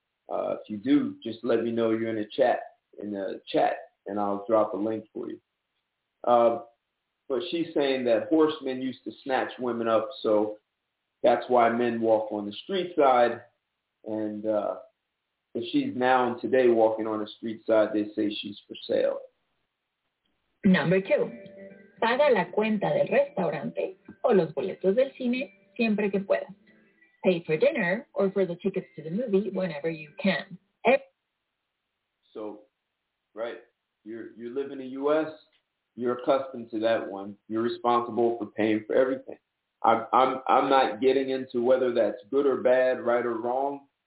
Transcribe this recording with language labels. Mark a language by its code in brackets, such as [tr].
[en] If you do, just let me know you're in the chat, and I'll drop a link for you. But she's saying that horsemen used to snatch women up, so that's why men walk on the street side. And if she's now and today walking on the street side, they say she's for sale. Number two, [es] paga la cuenta del restaurante o los boletos del cine siempre que puedas. [en] Pay for dinner or for the tickets to the movie whenever you can. So, right, you live in the U.S., you're accustomed to that one. You're responsible for paying for everything. I'm not getting into whether that's good or bad, right or wrong.